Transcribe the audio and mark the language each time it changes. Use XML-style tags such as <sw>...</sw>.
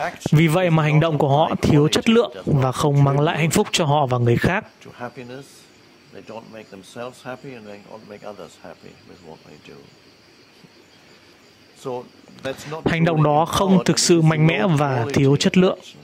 <vi>Vì vậy mà hành động của họ thiếu chất lượng và không mang lại hạnh phúc cho họ và người khác.</vi> <en>They don't make themselves happy and they don't make others happy with what they do. So that's not</en> <vi>hành động đó không thực sự mạnh mẽ và thiếu chất lượng.</vi>